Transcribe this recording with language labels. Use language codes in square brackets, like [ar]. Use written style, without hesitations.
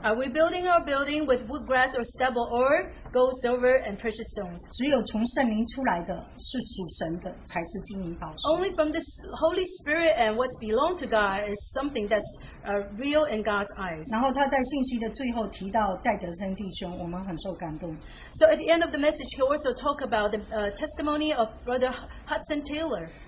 [en] Are we building our building with wood, grass, or stubble, or gold, silver, and precious stones? [zh] 只有从圣灵出来的是属神的，才是金银宝石。 [en] Only from the Holy Spirit and what belongs to God is something that's real in God's eyes. [zh] 然后他在信息的最后提到戴德森弟兄，我们很受感动。 [en] So at the end of the message, he also talked about the testimony of Brother Hudson Taylor.